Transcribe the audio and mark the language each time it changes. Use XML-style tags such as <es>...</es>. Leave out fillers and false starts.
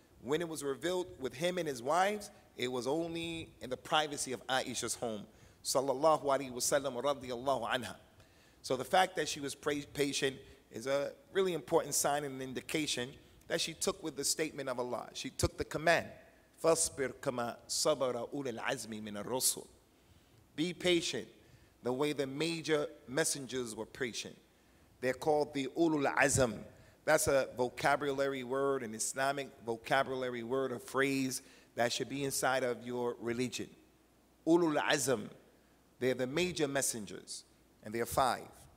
<en>When it was revealed with him and his wives, it was only in the privacy of Aisha's home, sallallahu alaihi wasallam, radiallahu anha. So the fact that she was patient is a really important sign and indication that she took with the statement of Allah. She took the command,</en> <ar>فَاصْبِرْ كَمَا صَبَرَ أُولِي الْعَزْمِ مِنَ الرُّسُلِ.</ar> <en>Be patient the way the major messengers were patient. They're called the Ulul Azm. That's a vocabulary word, an Islamic vocabulary word, a phrase that should be inside of your religion. Ulul Azm, they're the major messengers. And there are five.</en>